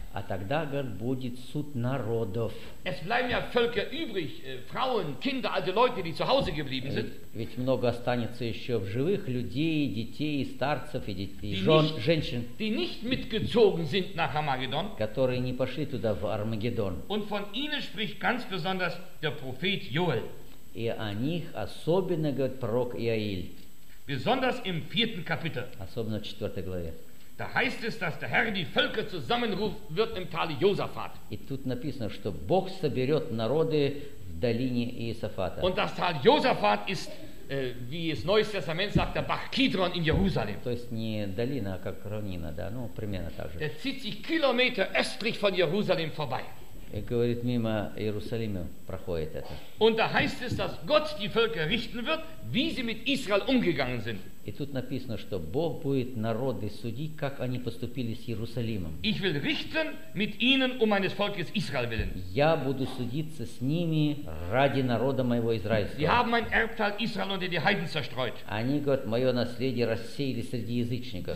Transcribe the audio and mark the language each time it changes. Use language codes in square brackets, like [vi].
[ru] А тогда, говорит, будет суд народов. [de] Es bleiben ja Völker übrig, Frauen, Kinder, alte Leute, die zu Hause geblieben sind. [ru] Ведь много останется еще в живых людей, детей, старцев и женщин. [de] Die nicht mitgezogen sind nach Armageddon. [ru] Которые не пошли туда в Армагеддон. [de] Und von ihnen spricht ganz besonders der Prophet Joel. [ru] И о них особенно говорит пророк Иоэль. [de] Besonders im vierten Kapitel. [ru] Особенно в четвертой главе. [de] Da heißt es, dass der Herr die Völker zusammenruft wird im Tale Josaphat. [ru] И тут написано, что Бог соберет народы в долине Иосафата. [de] Und das Tal Josaphat ist, wie es Neues Testament sagt, der Bach Kidron in Jerusalem. [ru] То есть не долина, а как равнина, да, ну примерно так же. [de] Der zieht sich Kilometer östlich von Jerusalem vorbei. [ru] И говорит, мимо Иерусалима проходит это. [de] Und da heißt es, dass Gott die Völker richten wird, wie sie mit Israel umgegangen sind. [ru] И тут написано, что Бог будет народы судить, как они поступили с Иерусалимом. [de] Ich will richten mit ihnen um meines Volkes Israel willen. [ru] Я буду судиться с ними ради народа моего Израиля. [de] Sie haben mein Erbteil Israel unter die Heiden zerstreut. [ru] Они, говорит, мое наследие рассеяли среди язычников.